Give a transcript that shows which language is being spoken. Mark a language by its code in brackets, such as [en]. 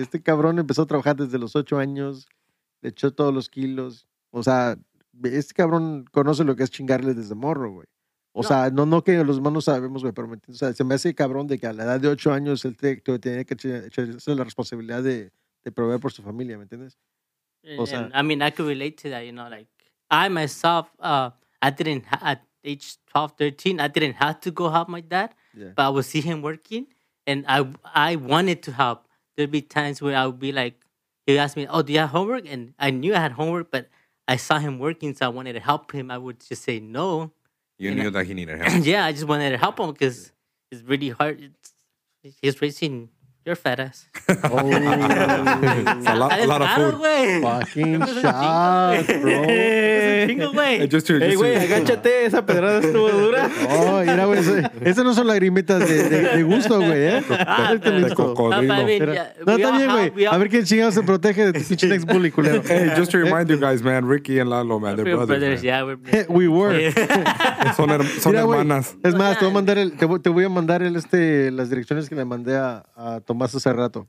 [es] Este cabrón empezó a trabajar desde los 8 años. Le echó todos los kilos. O sea, este cabrón conoce lo que es chingarle desde morro, güey. O sea, no que los demás no sabemos, güey, pero me entiendo. O sea, se me hace cabrón de que a la edad de 8 años él tenía que echarse la responsabilidad de proveer por su familia, ¿me entiendes? [en] I could relate to that, you know, like, I myself, at age 12, 13, I didn't have to go help my dad, but I would see him working, and I wanted to help. There'd be times where I would be like, he asked me, oh, do you have homework? And I knew I had homework, but I saw him working, so I wanted to help him. I would just say no. That he needed help. Yeah, I just wanted to help him because it's really hard. He's raising your fat ass. Oh, it's a lot of food. Away. Fucking shot, bro. [es] Agáchate, esa pedrada estuvo dura. Oh, mira, güey. Esas no son lagrimitas de gusto, güey. De cocodrilo. No, está bien, güey. A ver quién chingado se protege de tu pinche [en] next bully, [es] culero. [en] Hey, just to remind you guys, man, Ricky and Lalo, man, they're brothers. Yeah, we were. [es] Son hermanas. Es más, te voy a mandar las direcciones que le mandé a Tomás hace rato.